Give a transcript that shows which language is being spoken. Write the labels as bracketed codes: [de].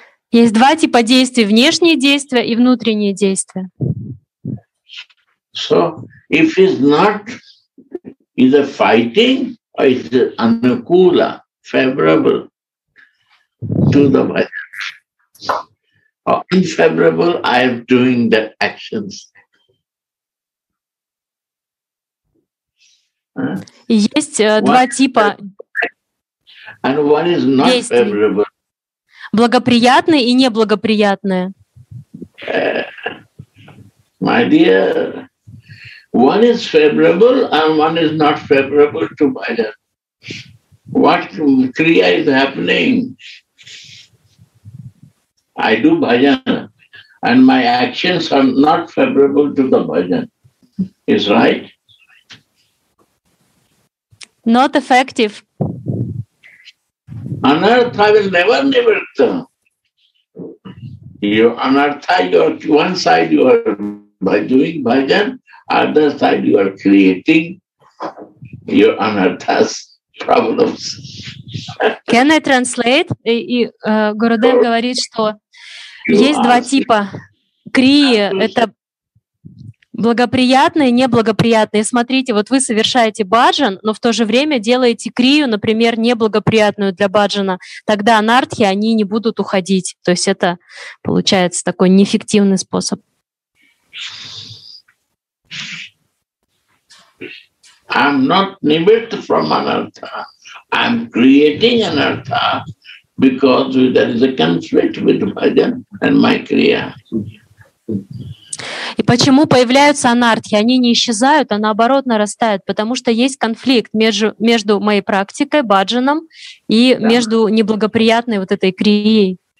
[ru] Есть два типа действий: внешние действия и внутренние действия. [en] So, if it's not either fighting or is it anukula, favorable to the bhajan, or unfavorable, I am doing the actions. [ru] Есть два типа действий. Благоприятные и неблагоприятные. [en] My dear, one is favorable and one is not favorable to bhajan. What kriya is happening? I do bhajan and my actions are not favorable to the bhajan. Is right? Not effective. Anartha will never nivritta. You anartha, you are, one side you are by doing bhajan, other side you are creating your anarthas problems. Can I translate? [ru] Гурудев говорит, что есть два типа крии. Это благоприятные и неблагоприятные. Смотрите, вот вы совершаете баджан, но в то же время делаете крию, например, неблагоприятную для баджана. Тогда анартхи, они не будут уходить. То есть это получается такой неэффективный способ. [en] I'm not nibbled from anartha. I'm creating anartha because there is a conflict with bhajan and my kriya. [ru] И почему появляются анартхи? Они не исчезают, а наоборот нарастают, потому что есть конфликт между моей практикой, бхаджаном, и да, между неблагоприятной вот этой крией.